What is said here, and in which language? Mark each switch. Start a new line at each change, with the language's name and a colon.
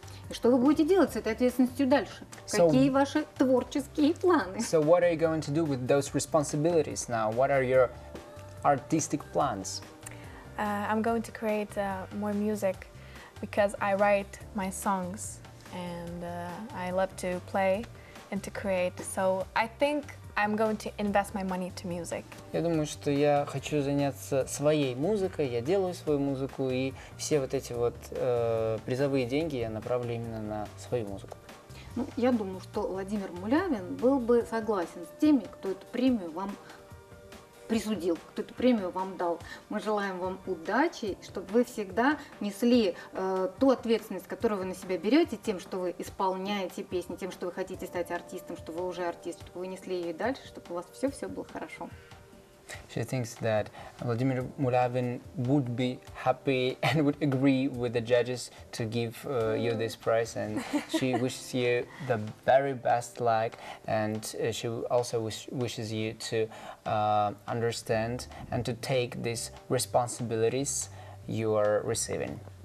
Russian: Что вы будете делать с этой ответственностью дальше? Какие ваши творческие планы?
English: So what are you going to do with those responsibilities now? What are your artistic plans? I'm going to create more music, because I write my songs, and I love to play and to create. So I think I'm going to invest my money to music.
Russian: Я думаю, что я хочу заняться своей музыкой, я делаю свою музыку, и все вот эти вот призовые деньги я направлю именно на свою музыку. Ну, я думаю, что Владимир Мулявин был бы согласен с теми, кто эту премию вам присудил, кто эту премию вам дал. Мы желаем вам удачи, чтобы вы всегда несли ту ответственность, которую вы на себя берете, тем, что вы исполняете песни, тем, что вы хотите стать артистом, что вы уже артист, чтобы вы несли ее дальше, чтобы у вас все-все было хорошо.
English: She thinks that Vladimir Mulavin would be happy and would agree with the judges to give you this prize, and she wishes you the very best luck, and she also wishes you to understand and to take these responsibilities you are receiving.